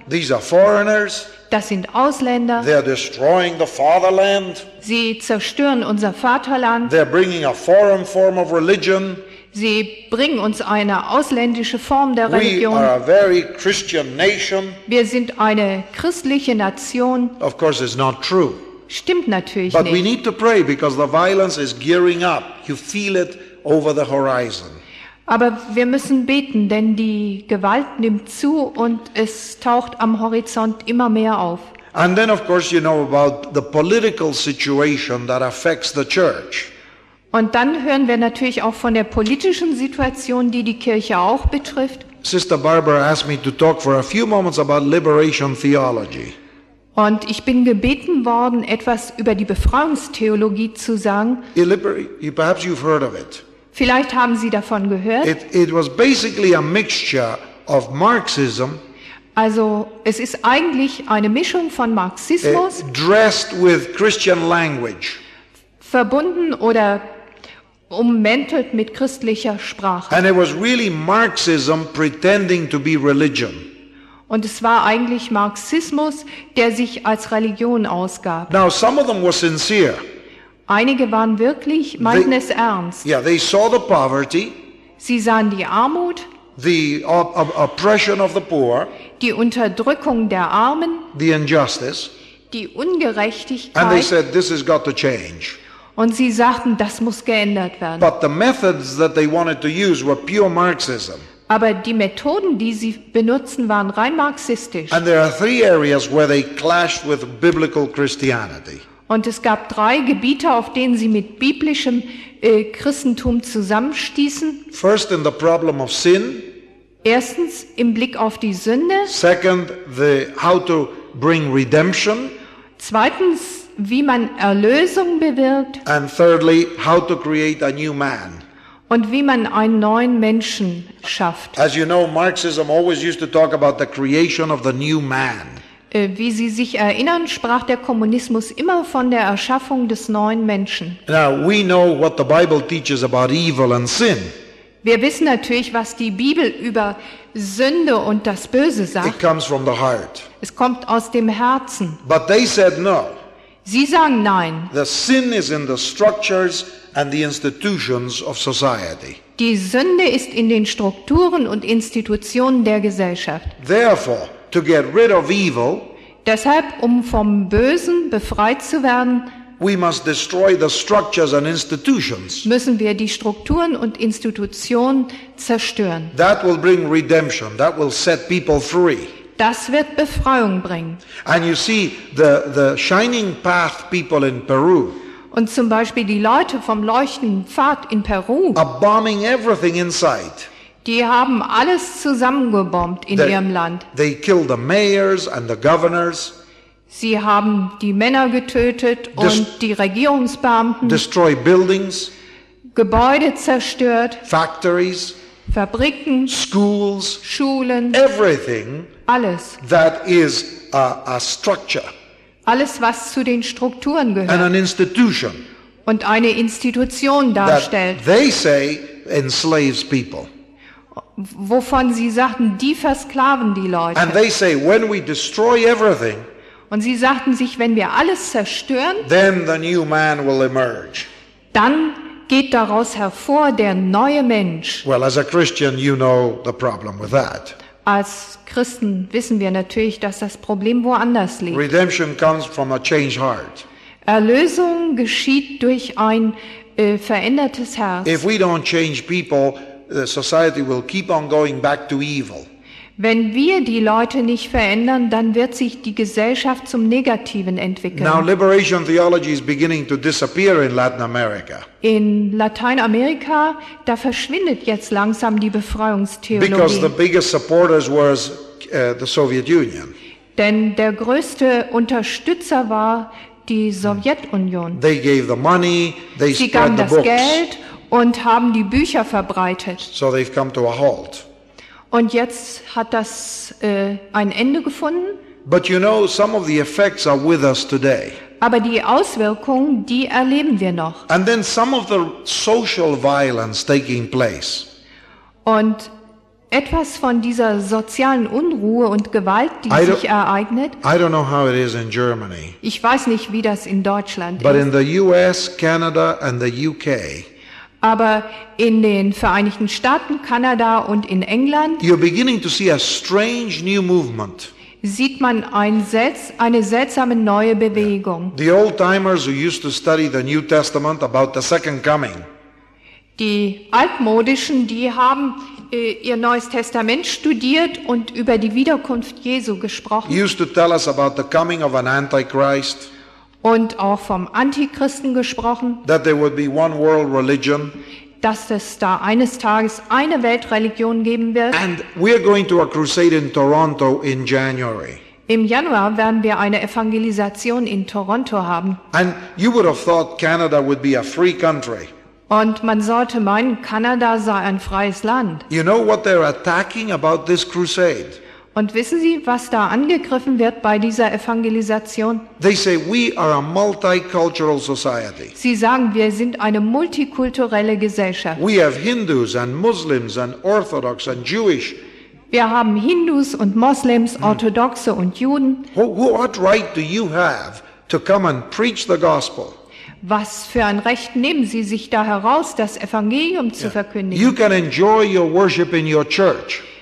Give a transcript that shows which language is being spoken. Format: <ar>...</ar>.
<en>These are foreigners.</en> <de>Das sind Ausländer.</de> <en>They're destroying the fatherland.</en> <de>Sie zerstören unser Vaterland.</de> <en>They're bringing a foreign form of religion.</en> <de>Sie bringen uns eine ausländische Form der Religion.</de> <en>We are a very Christian nation.</en> <de>Wir sind eine christliche Nation.</de> <en>Of course, it's not true.</en> <de>Stimmt natürlich</de> <en>but</en> <de>nicht.</de> <en>But we need to pray because the violence is gearing up. You feel it over the horizon.</en> <de>Aber wir müssen beten, denn die Gewalt nimmt zu und es taucht am Horizont immer mehr auf.</de> <en>And then of course you know about the political situation that affects the church.</en> <de>Und dann hören wir natürlich auch von der politischen Situation, die die Kirche auch betrifft.</de> <en>Sister Barbara asked me to talk for a few moments about liberation theology.</en> <de>Und ich bin gebeten worden, etwas über die Befreiungstheologie zu sagen.</de> <en>Perhaps you've heard of it.</en> <de>Vielleicht haben Sie davon gehört.</de> <en>It was basically a mixture of Marxism.</en> <de>Also, es ist eigentlich eine Mischung von Marxismus.</de> <en>Dressed with Christian language.</en> <de>Verbunden oder ummantelt mit christlicher Sprache.</de> <en>And it was really Marxism pretending to be religion.</en> <de>Und es war eigentlich Marxismus, der sich als Religion ausgab.</de> <en>Now, some of them were sincere.</en> <de>Einige waren wirklich, meinten es ernst.</de> <en>Yeah, they saw the poverty.</en> <de>Sie sahen die Armut.</de> <en>The oppression of the poor.</en> <de>Die Unterdrückung der Armen.</de> <en>The injustice.</en> <de>Die Ungerechtigkeit.</de> <en>And they said, this has got to change.</en> <de>Und sie sagten, das muss geändert werden.</de> <en>But the methods that they wanted to use were pure Marxism.</en> <de>Aber die Methoden, die sie benutzen, waren rein marxistisch.</de> <en>And there are three areas where they clashed with biblical Christianity.</en> <de>Und es gab drei Gebiete, auf denen sie mit biblischem Christentum zusammenstießen.</de> <en>First in the problem of sin.</en> <de>Erstens im Blick auf die Sünde.</de> <en>Second, how to bring redemption.</en> <de>Zweitens, wie man Erlösung bewirkt.</de> <en>And thirdly, how to create a new man.</en> <de>Und wie man einen neuen Menschen schafft.</de> <en>As you know, Marxism always used to talk about the creation of the new man.</en> <de>Wie Sie sich erinnern, sprach der Kommunismus immer von der Erschaffung des neuen Menschen.</de> <en>Now, we know what the Bible teaches about evil and sin.</en> <de>Wir wissen natürlich, was die Bibel über Sünde und das Böse sagt.</de> <en>It comes from the heart.</en> <de>Es kommt aus dem Herzen.</de> <en>But they said no.</en> <de>Sie sagen nein.</de> <en>The sin is in the structures and the institutions of society.</en> <de>Die Sünde ist in den Strukturen und Institutionen der Gesellschaft.</de> <en>Therefore, to get rid of evil,</en> <de>deshalb, um vom Bösen befreit zu werden,</de> <en>we must destroy the structures and institutions.</en> <de>Müssen wir die Strukturen und Institutionen zerstören.</de> <en>That will bring redemption. That will set people free.</en> <de>Das wird Befreiung bringen.</de> <en>And you see, the shining path people in Peru.</en> <de>Und zum Beispiel die Leute vom leuchtenden Pfad in Peru.</de> <en>Are bombing everything in sight.</en> <de>Die haben alles zusammengebombt in ihrem Land.</de> <en>They killed the mayors and the governors.</en> <de>Sie haben die Männer getötet und die Regierungsbeamten.</de> <en>Destroy buildings.</en> <de>Gebäude zerstört.</de> <en>Factories.</en> <de>Fabriken.</de> <en>Schools.</en> <de>Schulen.</de> <en>Everything.</en> <de>Alles.</de> <en>That is a structure.</en> <de>Alles, was zu den Strukturen gehört.</de> <en>And an institution.</en> <de>Und eine Institution darstellt.</de> <en>That they say enslaves people.</en> <de>Wovon sie sagten, die versklaven die Leute.</de> <en>And they say, when we destroy everything,</en> <de>und sie sagten sich, wenn wir alles zerstören,</de> <en>then the new man will emerge.</en> <de>Dann geht daraus hervor der neue Mensch.</de> <en>Well, as a Christian, you know the problem with that.</en> <de>Als Christen wissen wir natürlich, dass das Problem woanders liegt.</de> <en>Redemption comes from a changed heart.</en> <de>Erlösung geschieht durch ein verändertes Herz.</de> <en>If we don't change people, the society will keep on going back to evil.</en> <de>Wenn wir die Leute nicht verändern, dann wird sich die Gesellschaft zum Negativen entwickeln.</de> <en>Now, liberation theology is beginning to disappear in Latin America.</en> <de>In Lateinamerika, da verschwindet jetzt langsam die Befreiungstheologie.</de> <en>Because the biggest supporters was the Soviet Union.</en> <de>Denn der größte Unterstützer war die Sowjetunion.</de> <en>They gave the money, they</en> <de>Sie</de> <en>spread the books.</en> <de>Geld und haben die Bücher verbreitet.</de> <en>So they've come to a halt.</en> <de>Und jetzt hat das ein Ende gefunden.</de> <en>But you know, some of the effects are with us today.</en> <de>Aber die Auswirkungen, die erleben wir noch.</de> <en>And then some of the social violence taking place.</en> <de>Und etwas von dieser sozialen Unruhe und Gewalt, die sich ereignet.</de> <en>I don't know how it is in Germany.</en> <de>Ich weiß nicht, wie das in Deutschland</de> <en>But</en> <de>ist.</de> <en>But in the US, Canada and the UK.</en> <de>Aber in den Vereinigten Staaten, Kanada und in England,</de> <en>you're beginning to see a strange new movement.</en> <de>Sieht man eine seltsame neue Bewegung.</de> <en>The old-timers who used to study the New Testament about the second coming.</en> <de>Die Altmodischen, die haben ihr Neues Testament studiert und über die Wiederkunft Jesu gesprochen.</de> <en>Used to tell us about the coming of an Antichrist.</en> <de>Und auch vom Antichristen gesprochen,</de> <en>that there would be one world religion,</en> <de>dass es da eines Tages eine Weltreligion geben wird.</de> <en>And we are going to a crusade in Toronto in January.</en> <de>Im Januar werden wir eine Evangelisation in Toronto haben.</de> <en>And you would have thought Canada would be a free country.</en> <de>Und man sollte meinen, Kanada sei ein freies Land.</de> <en>You know what they're attacking about this crusade?</en> <de>Und wissen Sie, was da angegriffen wird bei dieser Evangelisation?</de> <en>They say we are a multicultural society.</en> <de>Sie sagen, wir sind eine multikulturelle Gesellschaft.</de> <en>We have Hindus and Muslims and Orthodox and Jewish.</en> <de>Wir haben Hindus und Moslems, Orthodoxe und Juden.</de> <en>What right do you have to come and preach the gospel?</en> <de>Was für ein Recht nehmen Sie sich da heraus, das Evangelium zu verkündigen?</de> <en>You can enjoy your worship in your church.</en>